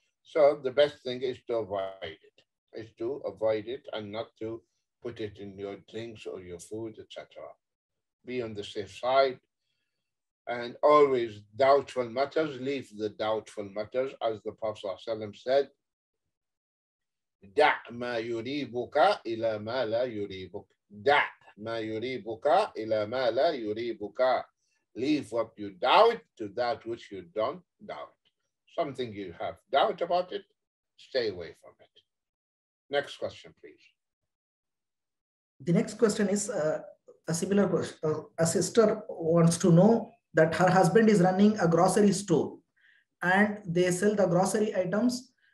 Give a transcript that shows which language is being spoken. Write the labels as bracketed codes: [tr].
[en] So the best thing is to avoid it, is to avoid it and not to put it in your drinks or your food, etc. Be on the safe side. And always doubtful matters, leave the doubtful matters, as the Prophet ﷺ said, [ar] دع ما يريبك إلى ما لا يريبك. دع ما يريبك إلى ما لا يريبك. [en] Leave what you doubt to that which you don't doubt. Something you have doubt about it, stay away from it. Next question, please. The next question is a similar question. A sister wants to know that her husband is running a grocery store and they sell the grocery items.